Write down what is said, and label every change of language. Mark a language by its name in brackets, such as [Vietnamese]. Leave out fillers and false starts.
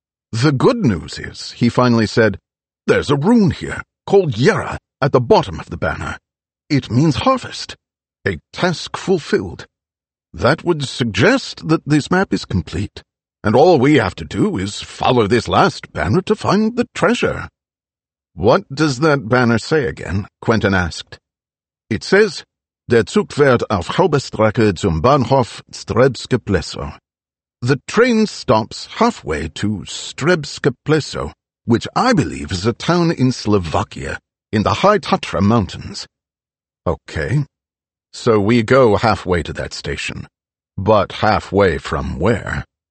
[English] "The good news is," he finally said, "there's a rune here, called Yera, at the bottom of the banner. It means harvest. A task fulfilled. That would suggest that this map is complete, and all we have to do is follow this last banner to find the treasure." "What does that banner say again?" Quentin asked. "It says, [German] Der Zug fährt auf Hauptstrecke zum Bahnhof Strebske Plesso. [English] The train stops halfway to Strebske Plesso, which I believe is a town in Slovakia, in the High Tatra Mountains." "Okay. So we go halfway to that station. But halfway from where?"